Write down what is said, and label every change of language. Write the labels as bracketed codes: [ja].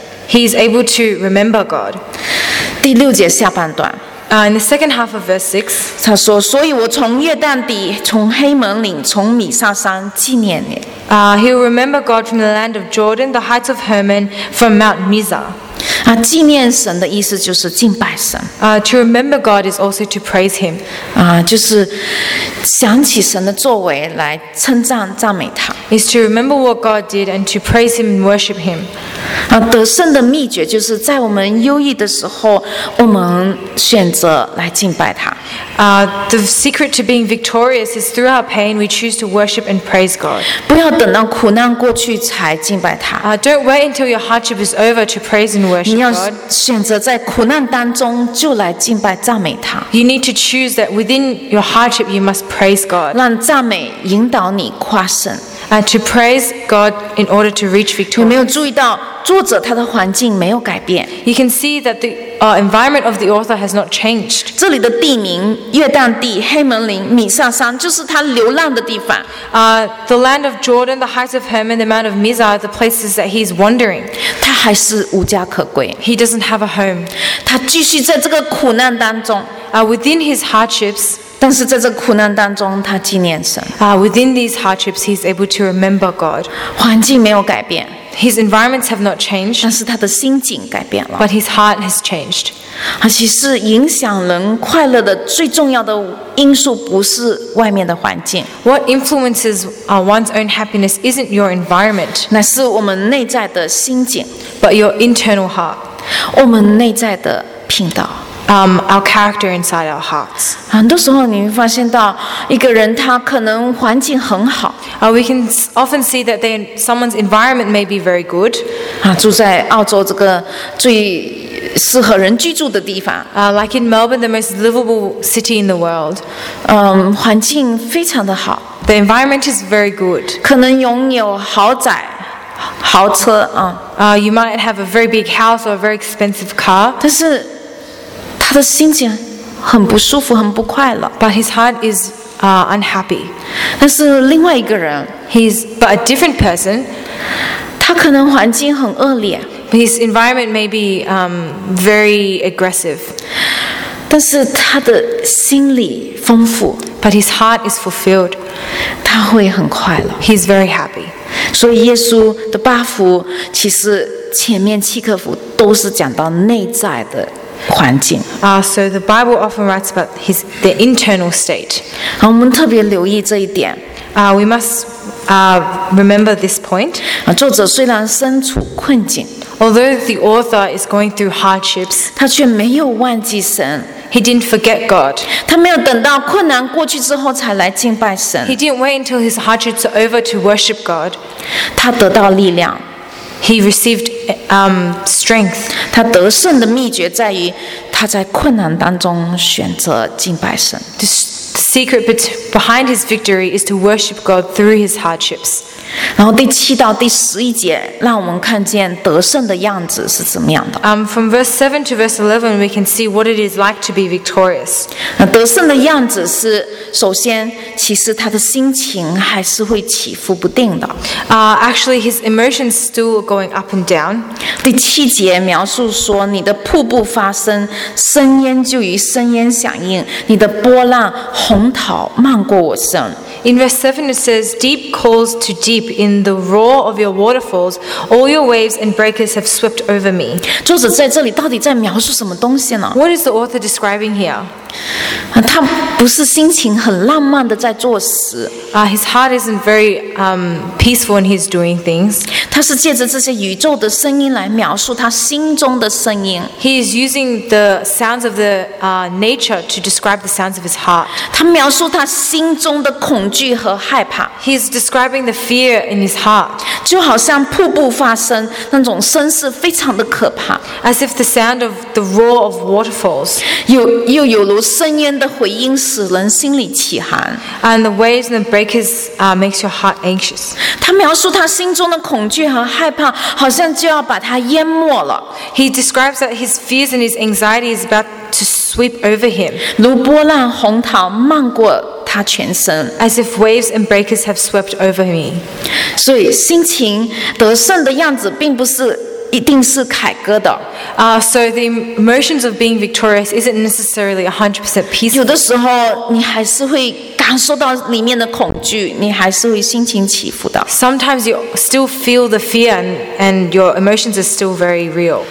[en] He's able to remember God. [zh] 第六节下半段。 [en] In the second half of verse 6, [zh] 他说，所以我从约旦底，从黑门岭，从米沙山纪念你。 [en] He'll remember God from the land of Jordan, the heights of Hermon, from Mount Mizar. [zh] 纪念神的意思就是敬拜神。 [en] To remember God is also to praise him. [zh] 就是想起神的作为来称赞赞美他。 [en] Is to remember what God did and to praise him and worship him. [zh] 得胜的秘诀就是在我们忧郁的时候，我们选择来敬拜他。 [en] The secret to being victorious is through our pain we choose to worship and praise God. [zh] 不要等到苦难过去才敬拜他。 [en] Don't wait until your hardship is over to praise and worship God. [zh] 你要选择在苦难当中就来敬拜赞美他。 [en] You need to choose that within your hardship you must praise God. [zh] 让赞美引导你跨胜。 [en] To praise God in order to reach victory. [zh] 有没有注意到作者他的环境没有改变？ [en] You can see that the environment of the author has not changed. [zh] 这里的地名约旦地、黑门岭、米沙山就是他流浪的地方。 [en] The land of Jordan, the heights of Hermon, the Mount of Mizar, the places that he's wandering. [zh] 他还是无家可归。 [en] He doesn't have a home. [zh] 他继续在这个苦难当中。 [en] Within his hardships. [zh] 但是在这苦难当中，他纪念神。 [en] Within these hardships, he's able to remember God. [zh] 环境没有改变。 [en] His environments have not changed. [zh] 但是他的心境改变了。 [en] But his heart has changed. [zh] 其实影响人快乐的最重要的因素不是外面的环境。 [en] What influences one's own happiness isn't your environment. [zh] 乃是我们内在的心境。 [en] But your internal heart. [zh] 我们内在的品德。 [en] Our character inside our hearts. [zh] 很多时候你会发现到一个人他可能环境很好。 [en] We can often see that someone's environment may be very good. [zh] 住在澳洲这个最适合人居住的地方。 [en] Like in Melbourne, the most livable city in the world. [zh] 环境非常的好。 [en] The environment is very good. [zh] 可能拥有豪宅。豪车。 [en] You might have a very big house or a very expensive car. [zh] 但是他的心情很不舒服，很不快乐。 [en] But his heart is unhappy. [zh] 但是另外一个人 [en] ，he's but a different person. [zh] 他可能环境很恶劣。 [en] His environment may be very aggressive. [zh] 但是他的心里丰富。 [en] But his heart is fulfilled. [zh] 他会很快乐。 [en] He's very happy. [zh] 所以耶稣的八福，其实前面七个福都是讲到内在的。环境。 [en] So the Bible often writes about the internal state. [zh] 我们特别留意这一点。 [en] We must remember this point. [zh] 作者虽然身处困境。 [en] Although the author is going through hardships, [zh] 他却没有忘记神。 [en] He didn't forget God. [zh] 他没有等到困难过去之后才来敬拜神。 [en] He didn't wait until his hardships are over to worship God. [zh] 他得到力量。 [en] He received strength. [zh] 他得胜的秘诀在于他在困难当中选择敬拜神。 [en] The secret behind his victory is to worship God through his hardships. [zh] 然后第七到第十一节，让我们看见得胜的样子是怎么样的。 [en] From verse 7 to verse 11, we can see what it is like to be victorious. [zh] 得胜的样子是，首先，其实他的心情还是会起伏不定的。 [en] Actually, his emotions still are going up and down. [zh] 第七节描述说，你的瀑布发声，声音就与声音响应，你的波浪。红桃漫过我身。 [en] In verse 7 it says, deep calls to deep in the roar of your waterfalls, all your waves and breakers have swept over me. [zh] 作者在这里到底在描述什么东西呢？ [en] What is the author describing here? [zh] 他不是心情很浪漫的在作诗。 [en] His heart isn't very peaceful when he's doing things. [zh] 他是借着这些宇宙的声音来描述他心中的声音。 [en] He is using the sounds of the nature to describe the sounds of his heart. [zh] 他描述他心中的恐惧和害怕。 [en] He's describing the fear in his heart. [zh] 就好像瀑布发声，那种声势非常的可怕。 [en] As if the sound of the roar of waterfalls. [zh] 又有如深渊的回音使人心里起寒。 [en] And the waves and the breakers makes your heart anxious. [zh] 他描述他心中的恐惧和害怕，好像就要把他淹没了。 [en] He describes that his fears and his anxiety is about to sweep over him. [zh] 如波浪洪涛漫过他全身。 [en] As if waves and breakers have swept over me. [zh] 所以心情得胜的样子并不是一定是凯歌的。 [en] So the emotions of being victorious isn't necessarily 100% peaceful. [zh] 有的时候你还是会感受到里面的恐惧，你还是会心情起伏的。 [en] Sometimes you still feel the fear and your emotions are still very real.